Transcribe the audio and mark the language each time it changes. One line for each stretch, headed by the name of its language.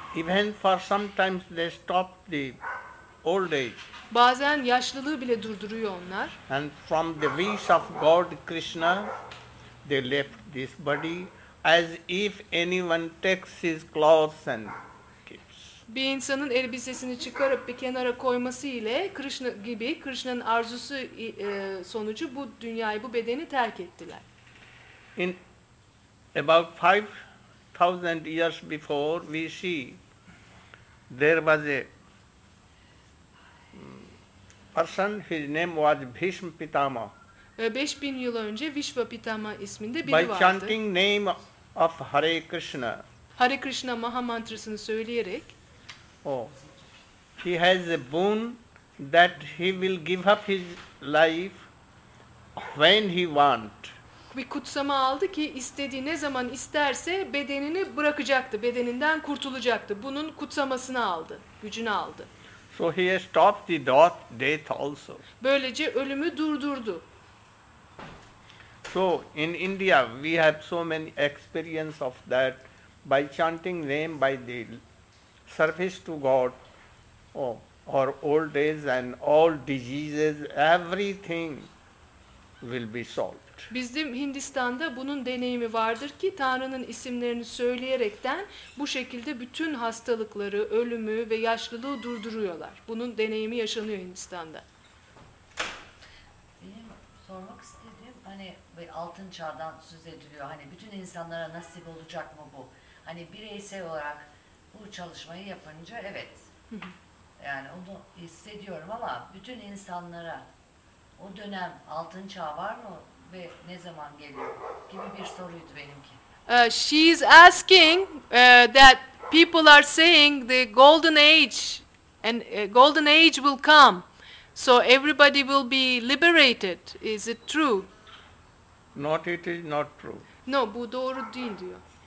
English: even for sometimes they stop the old age,
Turkish: bazen yaşlılığı bile durduruyor onlar,
English: and from the wish of God Krishna they left this body as if anyone takes his clothes and keeps.
Turkish: Bir insanın elbisesini çıkarıp bir kenara koyması ile Krishna gibi Krishna'nın arzusu sonucu bu dünyayı bu bedeni terk ettiler.
English: In about 5000 years before we see there was a person his name was Bhishma Pitama.
Turkish: 5000 yıl önce Vishva Pitama isminde biri
English: by
Turkish: vardı.
English: By chanting name of Hare Krishna.
Turkish: Hare Krishna Maha Mantrasını söyleyerek.
English: Oh, he has a boon that he will give up his life when he want.
Turkish: Bir kutsama aldı ki istediği ne zaman isterse bedenini bırakacaktı, bedeninden kurtulacaktı. Bunun kutsamasını aldı, gücünü aldı.
English: So he has stopped the death also.
Turkish: Böylece ölümü durdurdu.
English: So in India we have so many experience of that by chanting name by the service to God or old age and all diseases everything will be solved.
Turkish: Bizim Hindistan'da bunun deneyimi vardır ki Tanrı'nın isimlerini söyleyerekten bu şekilde bütün hastalıkları, ölümü ve yaşlılığı durduruyorlar. Bunun deneyimi yaşanıyor Hindistan'da. Sormak istediğim hani bir altın çağdan söz ediliyor. Hani bütün insanlara nasip olacak mı bu? Hani bireysel olarak bu çalışmayı yapınca evet. Yani onu hissediyorum ama bütün insanlara o dönem altın çağ var mı ve ne zaman geliyor gibi bir soruydu benimki.
English: She is asking that people are saying the golden age and golden age will come. So everybody will be liberated. Is it true? Not it is not true.
Turkish: No, bu doğru değil diyor.